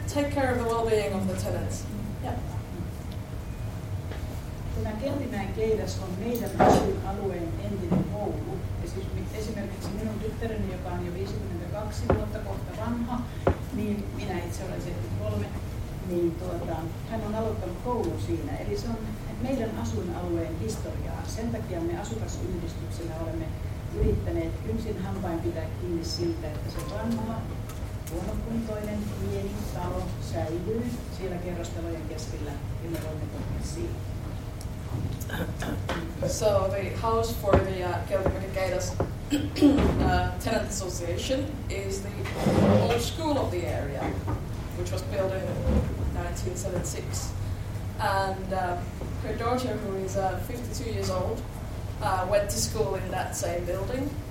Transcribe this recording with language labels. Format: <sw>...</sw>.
<en>take care of the well-being of the tenants.</en> <fi>Tämä Keltimäkeiras on meidän asuinalueen entinen koulu. Esimerkiksi minun tyttäreni, joka on jo 52 vuotta kohta vanha, niin minä itse olen 73, niin hän on aloittanut koulun siinä. Eli se on meidän asuinalueen historiaa. Sen takia me asukasyhdistyksellä olemme yrittäneet yksin hampain pitää kiinni siitä, että se vanha, huonokuntoinen, pieni talo säilyy siellä kerrostalojen keskellä, ja me voimme tehdä siitä.</fi> <en>So the house for the Keltimäkeiras Tenant Association is the old school of the area, which was built in 1976. And her daughter, who is 52 years old, went to school in that same building.</en>